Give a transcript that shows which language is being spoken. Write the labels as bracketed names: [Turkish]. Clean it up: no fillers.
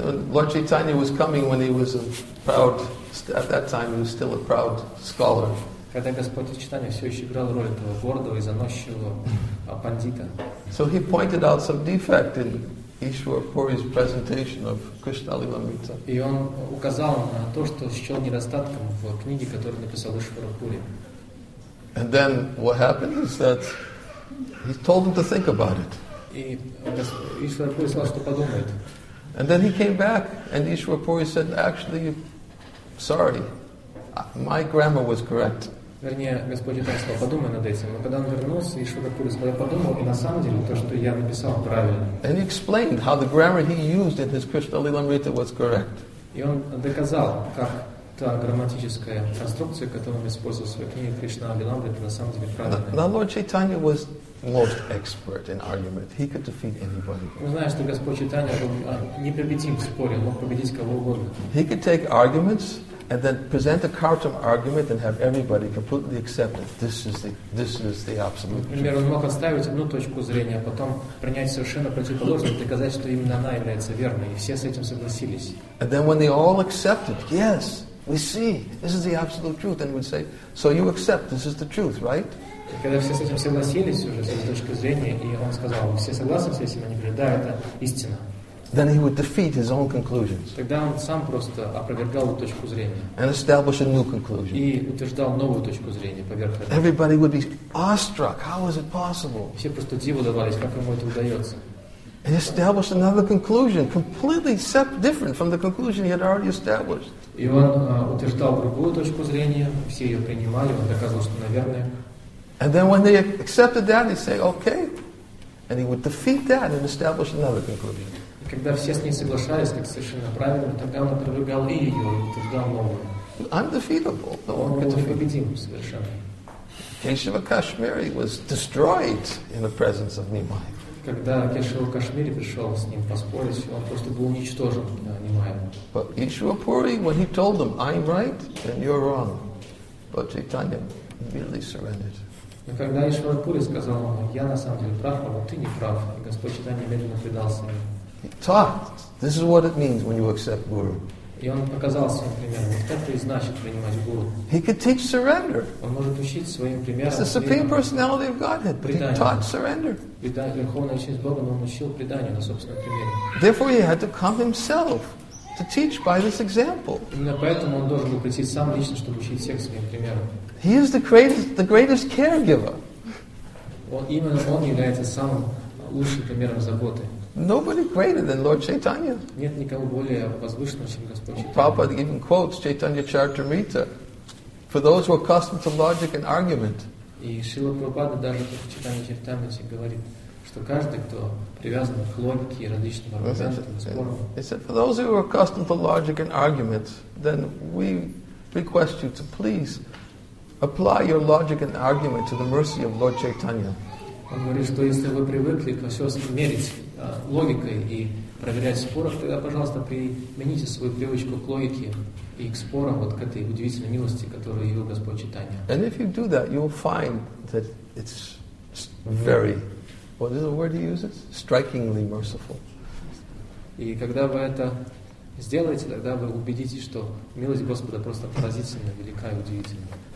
[English] Lord Chaitanya was coming when he was a proud, at that time he was still a proud scholar. [Russian] Когда Господь Чайтанья все еще играл роль этого гордого и заносчивого пандита. [English] So he pointed out some defect in Ишварапури's presentation of Krishna Lilamrita. [Russian] И он указал на то, что счел недостатком в книге, которую написал Ишварапури. [English] And then what happened is that he told him to think about it. [Russian] И Ишварапури сказал, что подумает. [English] And then he came back and Ишварапури said, actually, sorry, my grammar was correct. [Russian] Вернее, Господь Чайтанья сказал, подумай над этим. Но когда он вернулся, Ишварапури сказал, подумал, и на самом деле то, что я написал, правильно. [English] And he explained how the grammar he used in his Krishna Lilamrita was correct. [Russian] И он доказал, как та грамматическая конструкция, которую он использовал в своей книге Krishna Lilamrita, на самом деле правильная. [English] Now Lord Chaitanya was most expert in argument. He could defeat anybody. [Russian] Мы знаем, что Господь Чайтанья был непобедим в споре, мог победить кого угодно. [English] He could take arguments and then present a Kautum argument and have everybody completely accept it. This is the absolute truth. [Russian] Например, он мог отставить одну точку зрения, а потом принять совершенно противоположную, доказать, что именно она является верной, и все с этим согласились. [English] And then when they all accepted, yes, we see, this is the absolute truth, and would say, so you accept, this is the truth, right? [Russian] И когда все с этим согласились уже, с этой точки зрения, и он сказал, все согласны с этим, они говорят, да, это истина. [English] Then he would defeat his own conclusions. [Russian] Тогда он сам просто опровергал эту точку зрения. [English] And establish a new conclusion. [Russian] И утверждал новую точку зрения поверх этого. [English] Everybody would be awestruck. How is it possible? [Russian] Все просто диву давались, как ему это удается. [English] And establish another conclusion, completely different from the conclusion he had already established. [Russian] И он утверждал другую точку зрения, все ее принимали, он доказывал, что наверное. [English] And then when they accepted that, they say, okay. And he would defeat that and establish another conclusion. [Russian] Когда все с ней соглашались, как совершенно правильно, тогда он опровергал и ее, и утверждал новую. [English] Undefeatable. [Russian] Он был непобедим совершенно. [English] Кешава Кашмири was destroyed in the presence of Нимай. [Russian] Когда Кешава Кашмири пришел с ним поспорить, он просто был уничтожен Нимаем. [English] But Ишварапури, when he told them, I'm right and you're wrong, but Чайтанья really surrendered. [Russian] Но когда Ишварапури сказал ему, я на самом деле прав, а вот ты не прав, и Господь Чайтанья медленно предался ему. [English] He taught. This is what it means when you accept Guru. [Russian] И он показал своим примером, вот это и значит принимать Гуру. [English] He could teach surrender. [Russian] Он может учить своим примером. [English] It's the Supreme Personality of Godhead, but he taught surrender. [Russian] Верховная личность Бога, но он учил преданию на собственном примере. [English] Therefore, he had to come himself to teach by this example. [Russian] Именно поэтому он должен был прийти сам лично, чтобы учить всех своим примером. [English] He is the greatest caregiver. [Russian] Он именно он является самым лучшим примером заботы. [English] Nobody greater than Lord Chaitanya. [Russian] Нет никого более возвышенного, чем Господь Чайтанья. [English] Prabhupada even quotes Chaitanya Charitamrita for those who are accustomed to logic and argument. [Russian] И Шрила Прабхупада даже в Чайтанья Чаритамрите говорит, что каждый, кто привязан к логике и различным аргументам, спорам. [English] He said, for those who are accustomed to logic and argument, then we request you to please apply your logic and argument to the mercy of Lord Chaitanya. [Russian] Он говорит, что если вы привыкли во все мерить логикой и проверять споров, тогда, пожалуйста, примените свою привычку к логике и к спорам, вот к этой удивительной милости, которую явил Господь Читания. [English] And if you do that, you'll find that it's very, what is the word he uses? Strikingly merciful. [Russian] И когда вы это сделаете, тогда вы убедитесь, что милость Господа просто поразительна, велика и удивительна.